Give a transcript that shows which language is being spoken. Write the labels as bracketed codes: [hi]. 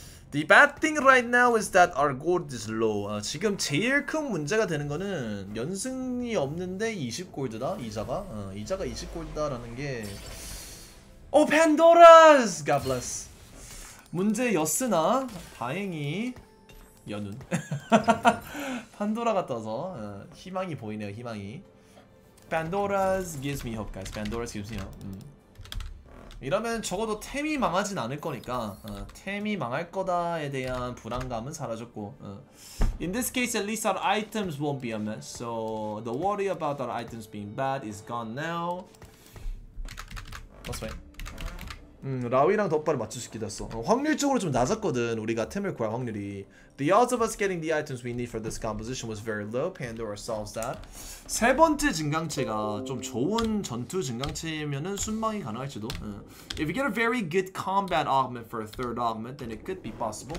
[en] The bad thing right now is that our gold is low. [ko] 지금 제일 큰 문제가 되는 거는 연승이 없는데 20골드다, 이자가. 이자가 20골드다라는 게. 오, 팬도라스! [en] God bless. [ko] 문제였으나 다행히 여눈 판도라가 떠서 희망이 보이네요. 희망이. [en] Pandora's gives me hope, guys. Pandora's gives me hope. [ko] 이러면 적어도 템이 망하진 않을 거니까 템이 망할 거다에 대한 불안감은 사라졌고. [en] In this case, at least our items won't be a mess. So the worry about our items being bad is gone now. Let's wait. [ko] 라위랑 덧발을 맞출 수 있겠어. 확률적으로 좀 낮았거든. 우리가 템을 구할 확률이. [en] The odds of us getting the items we need for this composition was very low. Pandora solves that. [ko] 세 번째 증강체가 좀 좋은 전투 증강체면은 순방이 가능할지도. [en] If you get a very good combat augment for a third augment, then it could be possible.